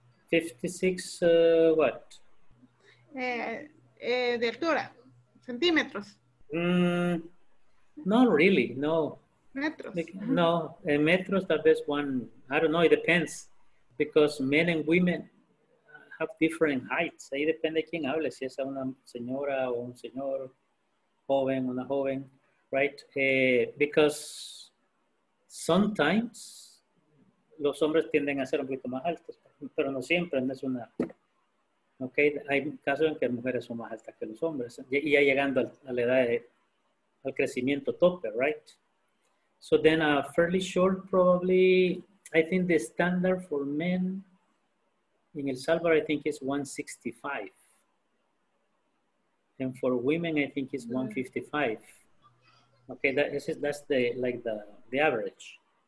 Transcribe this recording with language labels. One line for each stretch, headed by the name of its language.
English: 56, what?
Spanish: De altura, centímetros.
English: Not really, no.
Spanish: Metros.
English: No, metros, that is one, I don't know, it depends. Because men and women have different heights.
Spanish: Ahí depende quién hable, si es a una señora o un señor, joven, una joven, right?
English: Because sometimes
Spanish: los hombres tienden a ser un poquito más altos, pero no siempre, no es una... Okay, hay casos en que mujeres son más altas que los hombres, y ya llegando a la edad de, al crecimiento tope, right?
English: So then a fairly short, probably, I think the standard for men in El Salvador, I think is 165. And for women, I think it's 155. Okay, that's the, like the average.